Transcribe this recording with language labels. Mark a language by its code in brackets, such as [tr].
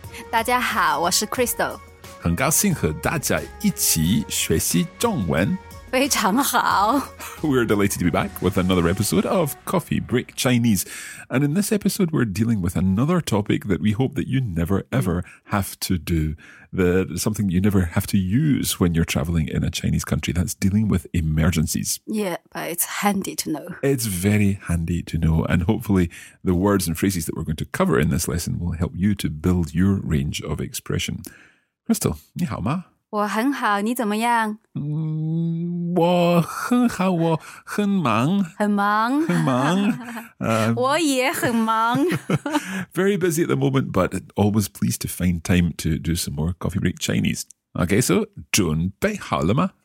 [zh] 大家好，我是 Crystal。很高兴和大家一起学习中文。非常好。 [en] We're delighted to be back with another episode of Coffee Break Chinese. And in this episode, we're dealing with another topic that we hope that you never, ever have to do. That something you never have to use when you're traveling in a Chinese country. That's dealing with emergencies. Yeah, but it's handy to know. It's very handy to know. And hopefully the words and phrases that we're going to cover in this lesson will help you to build your range of expression. [zh] Crystal, 你好吗? 我很好，你怎么样？我很好，我很忙。很忙。很忙。我也很忙。 [en] Very busy at the moment, but always pleased to find time to do some more Coffee Break Chinese. Okay, so [zh] 准备好了吗？